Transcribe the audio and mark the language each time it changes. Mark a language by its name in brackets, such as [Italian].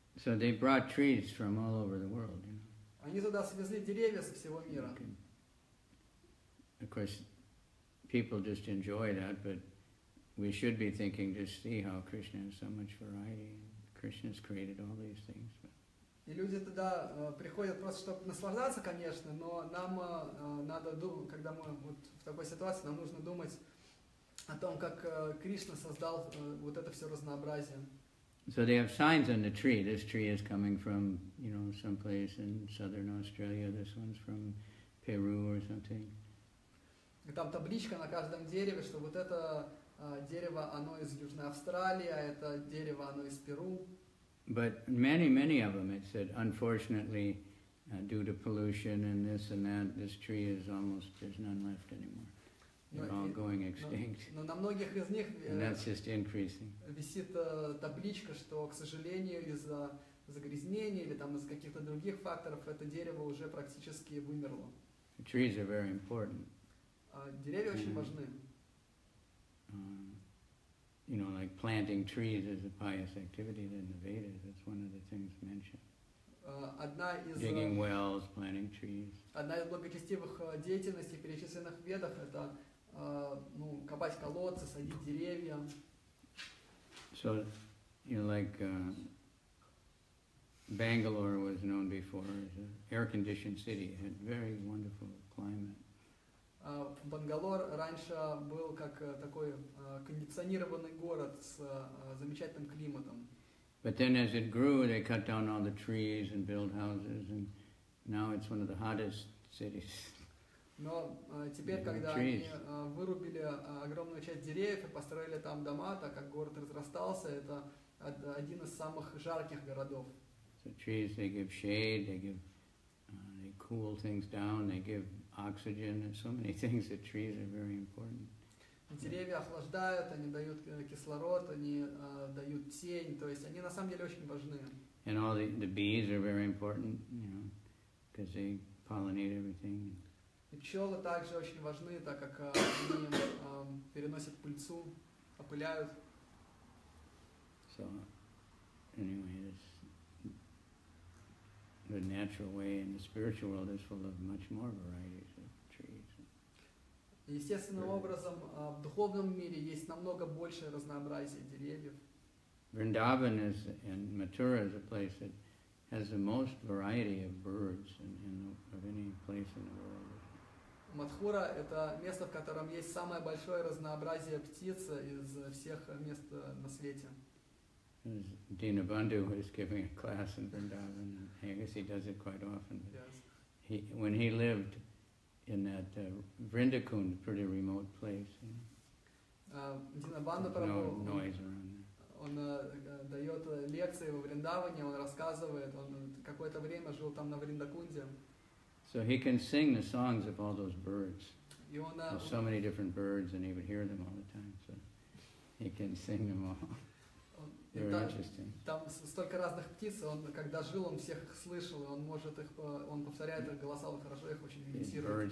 [English] So they brought trees from all over the world, you know. [Russian] Они туда свезли деревья со всего мира. [English] Of course, people just enjoy that, but we should be thinking to see how Krishna has so much variety. Krishna's created all these things. [Russian] И люди туда приходят просто, чтобы наслаждаться, конечно, но нам надо думать, когда мы вот в такой ситуации, нам нужно думать о том, как Кришна создал вот это все разнообразие. [English] So they have signs on the tree. This tree is coming from, you know, some place in southern Australia. This one's from Peru or something. [Russian] Там табличка на каждом дереве, что вот это дерево, оно из Южной Австралии, а это дерево, оно из Перу. [English] But many of them, it said, unfortunately, due to pollution and this and that, this tree is almost, there's none left anymore. They're all going extinct. [Russian] Но на многих из них [English] that's just increasing. [Russian] Висит табличка, что, к сожалению, из-за загрязнения или там из каких-то других факторов это дерево уже практически вымерло. [English] The trees are very important. [Russian] Деревья mm-hmm. очень важны. [English] You know, like planting trees is a pious activity in the Vedas. That's one of the things mentioned. Digging wells, planting trees. [Russian] Одна из благочестивых деятельностей, перечисленных в Ведах, это ну, копать колодцы, садить деревья. [English] So, you know, like Bangalore was known before as an air-conditioned city. It had very wonderful climate. [Russian] Бангалор раньше был как такой кондиционированный город с замечательным климатом. [English] But then as it grew, they cut down all the trees and built houses, and now it's one of the hottest cities. [Russian] Но теперь, когда они вырубили огромную часть деревьев и построили там дома, так как город разрастался, это один из самых жарких городов. [English] So trees, they give shade, they give they cool things down, they give oxygen, so many things that trees are very important. [Russian] Деревья охлаждают, они дают кислород, они дают тень, то есть они на самом деле очень важны. [English] And all the bees are very important, you know, because they pollinate everything. [Russian] И пчелы также очень важны, так как они переносят пыльцу, опыляют. [English] So, anyway, this, the natural way in the spiritual world is full of much more varieties. [Russian] Естественным образом, в духовном мире есть намного больше разнообразия деревьев. [English] Vrindavan is in Mathura is a place that has the most variety of birds of any place in the world. [Russian] Матхура это место, в котором есть самое большое разнообразие птиц из всех мест на свете. [English] Dinabandhu is giving a class in Vrindavan. I guess he does it quite often. When he lived in that Vrindakund, pretty remote place. [Russian] Dinabandhu Prabhu, он дает лекции в Вриндаване, он рассказывает, он какое-то время жил там на Вриндакунде. [English] So he can sing the songs of all those birds. There's so many different birds, and he would hear them all the time. So he can sing them all. They're interesting. [Russian] Там столько разных птиц, он когда жил, он всех их слышал, он может их, он повторяет их голоса, он хорошо их очень имитирует.